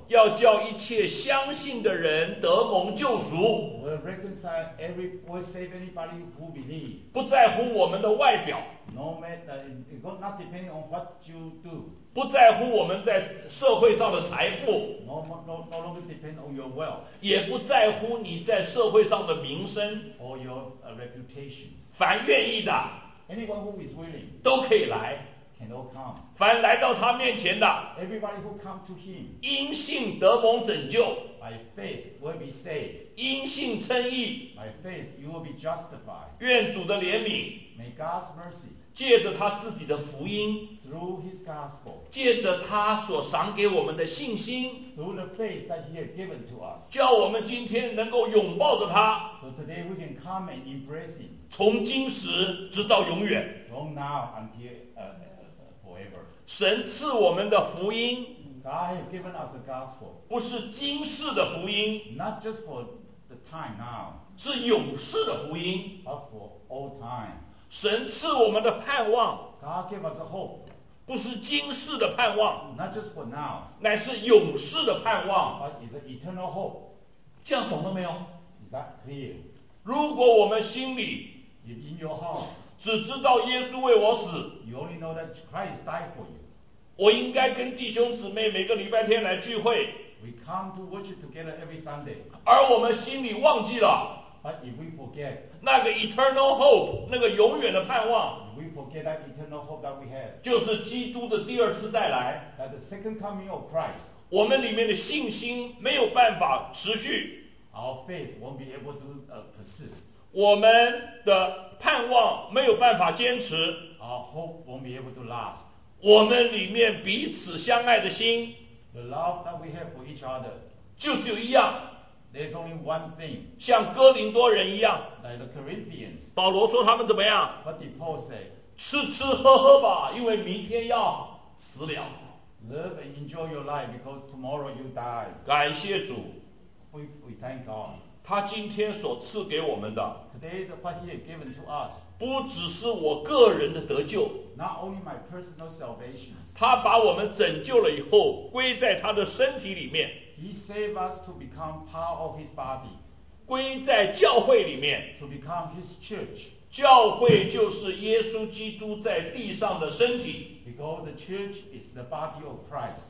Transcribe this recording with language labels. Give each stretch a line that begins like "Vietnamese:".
Chinese: 要叫一切相信的人得蒙救赎。
English: Will reconcile every, will save anybody who believes.
Chinese: 不在乎我们的外表。
English: No matter, not depending on what you do.
Chinese: 不在乎我们在社会上的财富。
English: No longer depend on your wealth.
Chinese: 也不在乎你在社会上的名声。
English: Or your reputations.
Chinese: 凡愿意的。
English: Anyone who is willing.
Chinese: 都可以来。
English: Can all come.
Chinese: 凡来到他面前的。
English: Everybody who come to him.
Chinese: 因信得蒙拯救。
English: By faith will be saved.
Chinese: 因信称义。
English: By faith you will be justified.
Chinese: 愿主的怜悯。
English: May God's mercy.
Chinese: 借着他自己的福音。
English: Through his gospel.
Chinese: 借着他所赏给我们的信心。
English: Through the faith that he has given to us.
Chinese: 叫我们今天能够拥抱着他。
English: So today we can come and embrace him.
Chinese: 从今时直到永远。
English: From now until forever.
Chinese: 神赐我们的福音。
English: God has given us a gospel.
Chinese: 不是今世的福音。
English: Not just for the time now.
Chinese: 是永世的福音。
English: But for all time.
Chinese: 神赐我们的盼望
English: God gave us a hope
Chinese: 不是今世的盼望
English: Not just for now
Chinese: 乃是永世的盼望
English: But it's an eternal hope
Chinese: 这样懂了没有
English: Is that clear?
Chinese: 如果我们心里
English: If in your heart
Chinese: 只知道耶稣为我死
English: You only know that Christ died for you
Chinese: 我应该跟弟兄姊妹每个礼拜天来聚会
English: We come to worship together every Sunday
Chinese: 而我们心里忘记了
English: But if we forget,
Chinese: 那个
English: eternal hope,
Chinese: 那个永远的盼望
English: if we forget that eternal hope that we have,
Chinese: 就是基督的第二次再来
English: that the second coming of Christ,
Chinese: 我们里面的信心没有办法持续
English: our faith won't be able to persist,
Chinese: 我们的盼望没有办法坚持
English: our hope won't be able to last,
Chinese: 我们里面彼此相爱的心
English: the love that we have for each other,
Chinese: 就只有一样
English: There's only one thing.
Chinese: 像哥林多人一样。
English: Like the Corinthians.
Chinese: 保罗说他们怎么样？
English: What did Paul say?
Chinese: 吃吃喝喝吧，因为明天要死了。
English: Live and enjoy your life because tomorrow you die.
Chinese: 感谢主。
English: We thank God.
Chinese: 他今天所赐给我们的。
English: Today the what he has given to us.
Chinese: 不只是我个人的得救。
English: Not only my personal salvation.
Chinese: 他把我们拯救了以后，归在他的身体里面。
English: He saved us to become part of his body.
Chinese: 归在教会里面。
English: To become his church.
Chinese: 教会就是耶稣基督在地上的身体。
English: Because the church is the body of Christ.